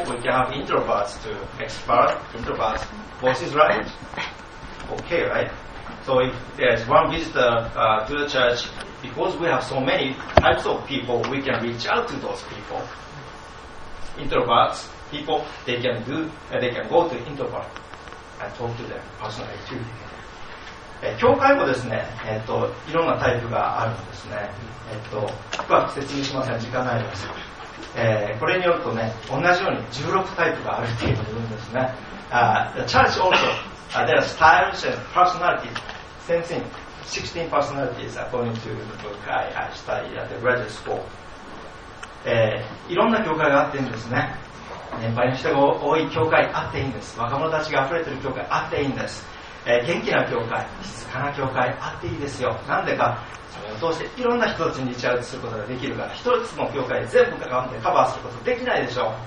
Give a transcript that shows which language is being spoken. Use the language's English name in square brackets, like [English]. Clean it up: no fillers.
[English] We can have introverts to extrovert. Introverts. Both is right. Okay, right? So if there's one visitor to the church, because we have so many types of people, we can reach out to those people. Introverts, people, they can go to introvert and talk to them personally too. [Japanese] 教会もですね、いろんなタイプがあるんですね。深く説明しません、時間ないです、これによるとね、同じように16タイプがあるっていうんですね。 [English] The church also, there are styles and personalities. Same thing, 16 personalities according to the book I studied at the graduate school. [Japanese] いろんな教会があっていいんですね。年配の人が多い教会あっていいんです。若者たちが溢れている教会あっていいんです。元気な教会、静かな教会あっていいですよ。なんでか、それを通していろんな人たちにリチャウトすることができるから、一つの教会で全部関わってカバーすることできないでしょう。